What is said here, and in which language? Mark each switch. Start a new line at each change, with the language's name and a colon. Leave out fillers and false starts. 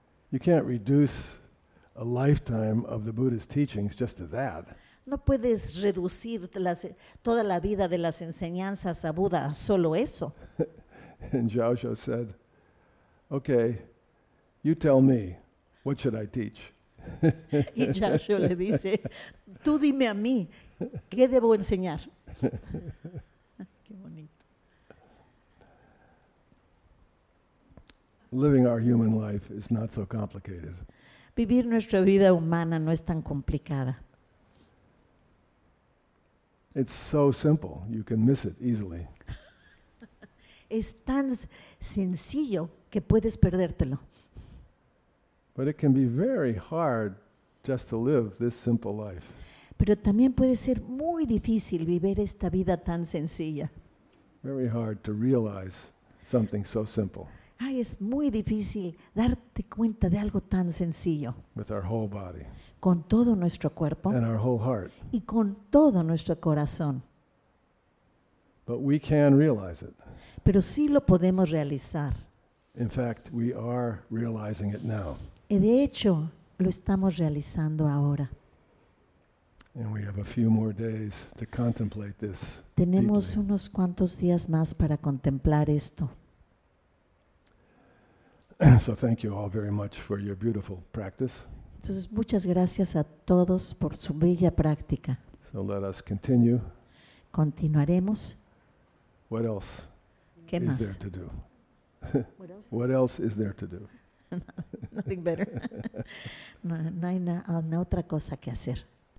English: You can't reduce a lifetime of the Buddha's teachings just to that.
Spanish: No puedes reducir toda la vida de las enseñanzas a Buda a solo eso.
English: And Zhaozhou said, okay, you tell me, what should I teach?
Spanish: Y Zhaozhou le dice, tú dime a mí, ¿qué debo enseñar? Qué bonito.
English: Living our human life is not so complicated.
Spanish: Vivir nuestra vida humana no es tan complicada.
English: It's so simple, you can miss it easily.
Spanish: Es tan sencillo que puedes perdértelo.
English: But it can be very hard just to live this simple life.
Spanish: Pero también puede ser muy difícil vivir esta vida tan sencilla.
English: Very hard to realize something so simple.
Spanish: Ay, es muy difícil darte cuenta de algo tan sencillo.
English: With our whole body.
Spanish: Con todo nuestro cuerpo.
English: And our whole heart.
Spanish: Y con todo nuestro corazón.
English: But we can realize it.
Spanish: Pero sí lo podemos realizar.
English: In fact, we are realizing it now.
Spanish: Y de hecho, lo estamos realizando ahora.
English: And we have a few more days to contemplate this.
Spanish: Tenemos
English: deeply.
Spanish: Unos cuantos días más para contemplar esto.
English: So thank you all very much for your beautiful practice.
Spanish: Entonces, muchas gracias a todos por su bella práctica.
English: So let us continue.
Spanish: Continuaremos.
English: What else?
Spanish: ¿Qué
English: is
Spanish: más?
English: There to do? What else is there to do? Nothing better.
Spanish: No hay otra cosa que hacer.